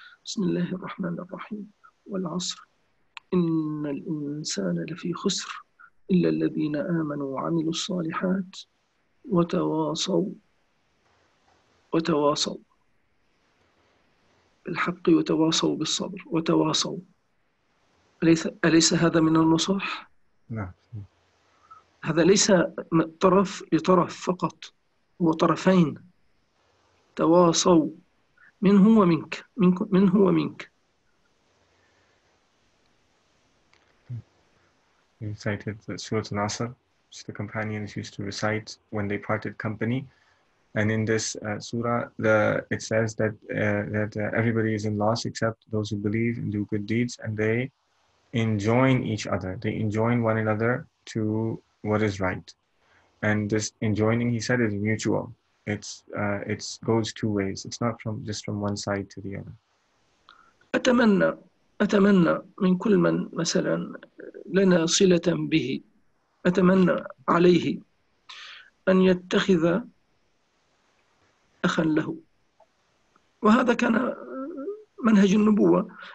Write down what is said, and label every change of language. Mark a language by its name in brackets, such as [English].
[Arabic] بسم الله الرحمن الرحيم. والعصر، إن الإنسان لفي خسر، إلا الذين آمنوا وعملوا الصالحات وتواصوا بالحق وتواصوا بالصبر وتواصوا. أليس هذا من النصح؟ نعم. هذا ليس طرف لطرف فقط، هو طرفين تواصوا، منه ومنك، منه ومنك. [English] You recited the Surah Al-Nasr, which the companions used to recite when they parted company. And in this surah, it says that everybody is in loss except those who believe and do good deeds, and they enjoin each other. They enjoin one another to what is right. And this enjoining, he said, is mutual. It's goes two ways. It's not from just from one side to the other. [Arabic] أتمنى من كل من مثلا لنا صلة به، أتمنى عليه أن يتخذ أخا له، وهذا كان منهج النبوة.